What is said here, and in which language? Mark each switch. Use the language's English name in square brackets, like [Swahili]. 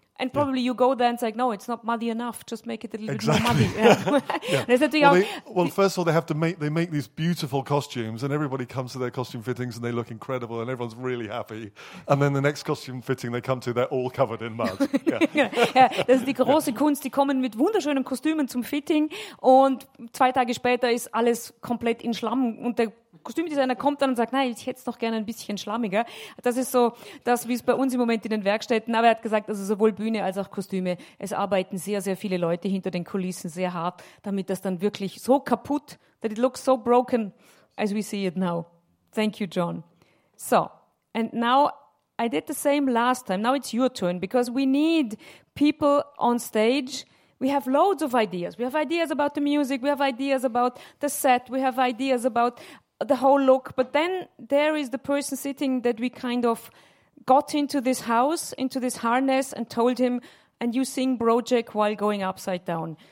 [English] And probably you go there and say, no, it's not muddy enough. Just make it a little bit more muddy. Yeah. Yeah. First of all, they make these beautiful costumes and everybody comes to their costume fittings and they look incredible and everyone's really happy. And then the next costume fitting they come to, they're all covered in mud. Yeah. Yeah. [German] Das ist die große Kunst. Die kommen mit wunderschönen Kostümen zum Fitting und zwei Tage später ist alles komplett in Schlamm und der Kostümdesigner kommt dann und sagt, nein, ich hätte es noch gerne ein bisschen schlammiger. Das ist so das, wie es bei uns im Moment in den Werkstätten, aber er hat gesagt, also sowohl Bühne als auch Kostüme, es arbeiten sehr, sehr viele Leute hinter den Kulissen sehr hart, damit das dann wirklich so kaputt, [English] that it looks so broken as we see it now. Thank you, John. So, and now I did the same last time. Now it's your turn, because we need people on stage. We have loads of ideas. We have ideas about the music, we have ideas about the set, we have ideas about the whole look, but then there is the person sitting that we kind of got into this house, into this harness, and told him, and you sing Brojek while going upside down.